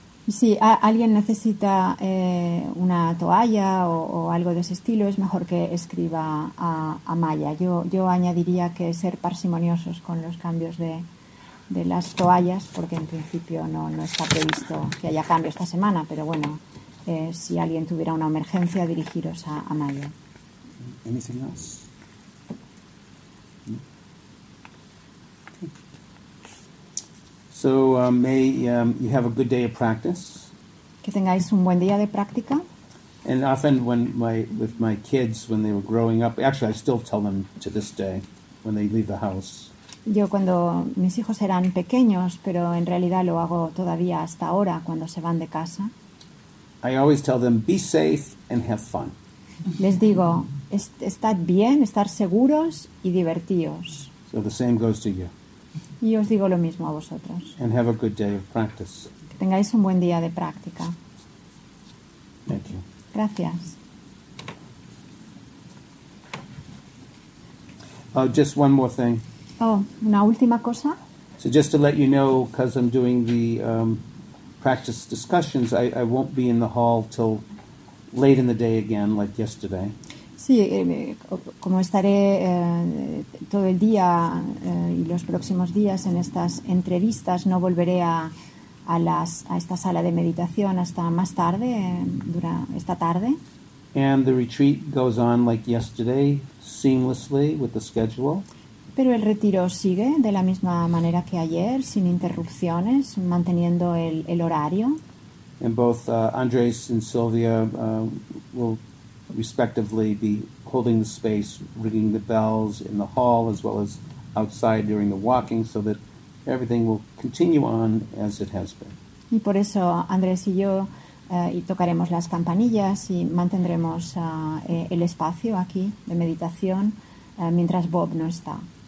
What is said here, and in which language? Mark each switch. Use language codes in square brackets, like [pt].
[es] Si alguien necesita una toalla o algo de ese estilo, es mejor que escriba a Maya. Yo añadiría que ser parsimoniosos con los cambios de las toallas, porque en principio no está previsto que haya cambio esta semana, pero bueno, si alguien tuviera una emergencia, dirigiros a Maya. [en] Anything else? So may you have a good day of practice. [es] Que tengáis un buen día de práctica. [en] And often when with my kids when they were growing up, actually I still tell them to this day when they leave the house. [es] Yo cuando mis hijos eran pequeños, pero en realidad lo hago todavía hasta ahora cuando se van de casa. [en] I always tell them be safe and have fun. [es] Les digo, estad bien, estar seguros y divertíos. [en] So the same goes to you. [es] Y os digo lo mismo a vosotros. [en] And have a good day of practice. [es] Que tengáis un buen día de práctica. [en] Thank you. [es] Gracias. [en] Oh, just one more thing. [es] Oh, una última cosa. [en] So just to let you know, because I'm doing the practice discussions, I won't be in the hall till late in the day again, like yesterday. [es] Sí, como estaré todo el día y los próximos días en estas entrevistas, no volveré a esta sala de meditación hasta más tarde, esta tarde. [en] And the retreat goes on like yesterday, seamlessly with the schedule. [es] Pero el retiro sigue de la misma manera que ayer, sin interrupciones, manteniendo el horario. [en] And both Andres and Sylvia will respectively be holding the space, ringing the bells in the hall as well as outside during the walking, so that everything will continue on as it has been. [es] Y por eso Andrés y yo y tocaremos las campanillas y mantendremos el espacio aquí de meditación mientras Bob no está.